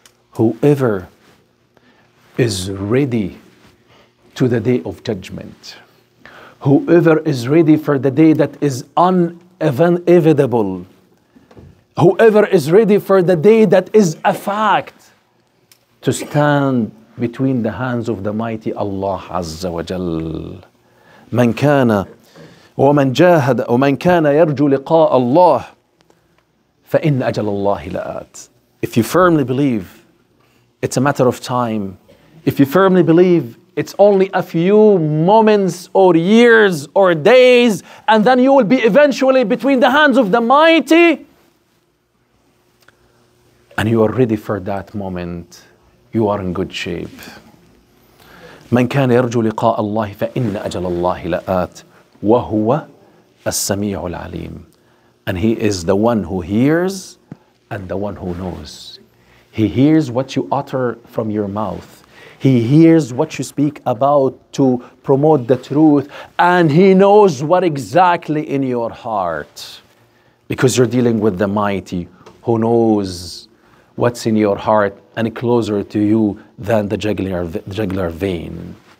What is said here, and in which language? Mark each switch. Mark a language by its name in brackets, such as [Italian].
[English] Whoever is ready to the day of judgment, whoever is ready for the day that is inevitable, whoever is ready for the day that is a fact, to stand between the hands of the mighty Allah Azza wa Jal. [Arabic] من كان ومن جاهد ومن كان يرجو لقاء الله فإن أجل الله لآت. [English] If you firmly believe, it's a matter of time. If you firmly believe, it's only a few moments or years or days, and then you will be eventually between the hands of the mighty. And you are ready for that moment. You are in good shape. [Arabic] من كان يرجو لقاء الله فإن أجل الله لآت وهو السميع العليم. [English] And he is the one who hears and the one who knows. He hears what you utter from your mouth. He hears what you speak about to promote the truth, and he knows what exactly in your heart, because you're dealing with the mighty who knows what's in your heart and closer to you than the jugular vein.